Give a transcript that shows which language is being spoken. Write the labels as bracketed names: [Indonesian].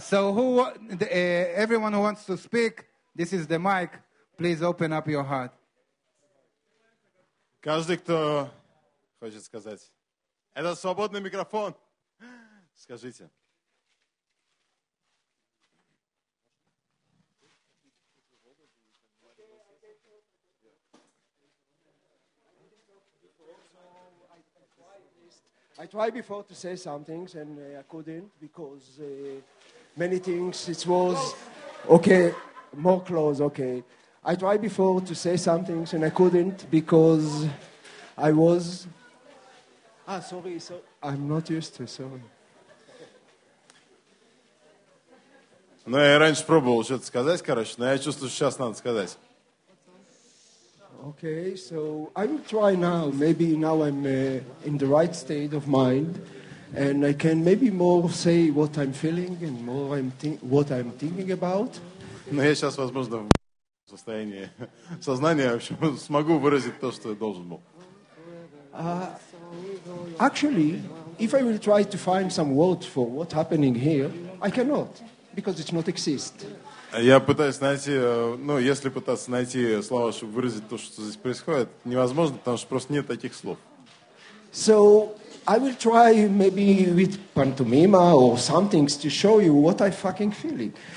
[English] So who everyone who wants to speak, this is the mic. Please open up your heart. [Russian] Каждый, кто хочет сказать. Это свободный микрофон. Скажите. [English] I tried before to say something and I couldn't because many things it was okay, more close, okay. I tried before to say something and I couldn't because I was sorry. I'm not used to, sorry. [Russian] Ну, я раньше пробовал что-то сказать, короче, но я чувствую, что сейчас надо сказать. [English] Okay, so I'm trying now. Maybe now I'm in the right state of mind. And I can maybe more say what I'm feeling and more what I'm thinking about. [Russian] Ну, я сейчас, возможно, в состоянии сознания, в общем, смогу выразить то, что я должен был. [English] Actually, if I will try to find some words for what's happening here, I cannot. Because it does not exist. [Russian] Я пытаюсь найти, ну, если пытаться найти слова, чтобы выразить то, что здесь происходит, невозможно, потому что просто нет таких слов. [English] So I will try maybe with pantomima or something to show you what I fucking feeling.